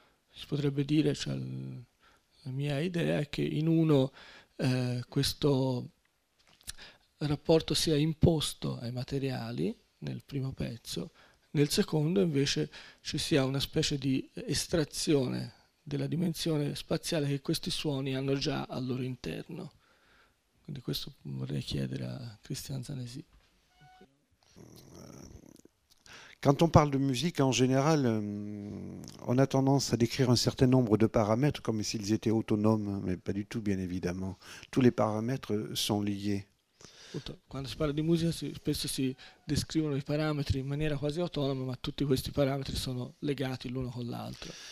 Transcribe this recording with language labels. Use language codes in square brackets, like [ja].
[it] Si potrebbe dire, cioè, la mia idea è che in uno questo rapporto sia imposto ai materiali nel primo pezzo, nel secondo invece ci sia una specie di estrazione della dimensione spaziale che questi suoni hanno già al loro interno. Quindi questo vorrei chiedere a Christian Zanesi. [fr] Quand on parle de musique en général, on a tendance à décrire un certain nombre de paramètres comme s'ils étaient autonomes, mais pas du tout, bien évidemment. Tous les paramètres sont liés. [it] Quando si parla di musica spesso si descrivono i parametri in maniera quasi autonoma, ma tutti questi parametri sono legati l'uno con l'altro.